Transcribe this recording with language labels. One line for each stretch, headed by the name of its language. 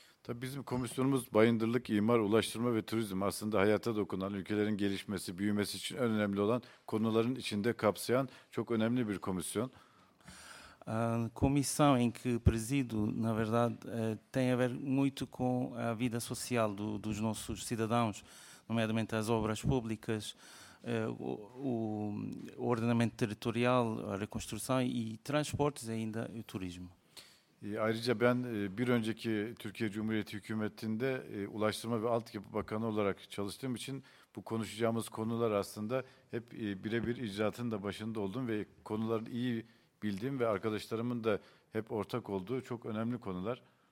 Turkish: Tabii bizim komisyonumuz bayındırlık, imar, ulaştırma ve turizm aslında hayata dokunan ülkelerin gelişmesi, büyümesi için önemli olan konuların içinde kapsayan çok önemli bir komisyon.
Portuguese: A comissão em que presido, na verdade, tem a ver muito com a vida social dos nossos cidadãos, nomeadamente as obras públicas, o ordenamento territorial, a reconstrução e transportes ainda e turismo.
Turkish: Ayrıca ben bir önceki Türkiye Cumhuriyeti Hükümeti'nde Ulaştırma ve Altyapı Bakanı olarak çalıştığım için bu konuşacağımız konular aslında hep birebir icraatın da başında olduğum ve konuları iyi bildiğim ve arkadaşlarımın da hep ortak olduğu çok önemli konular.